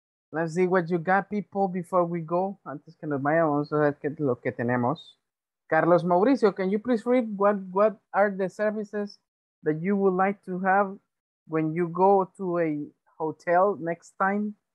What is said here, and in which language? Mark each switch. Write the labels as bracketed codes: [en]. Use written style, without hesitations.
[en] Let's see what you got, people, before we go. [es] Antes que nos vayamos a ver qué es lo que tenemos. [en] Carlos Mauricio, can you please read what are the services that you would like to have when you go to a hotel next time?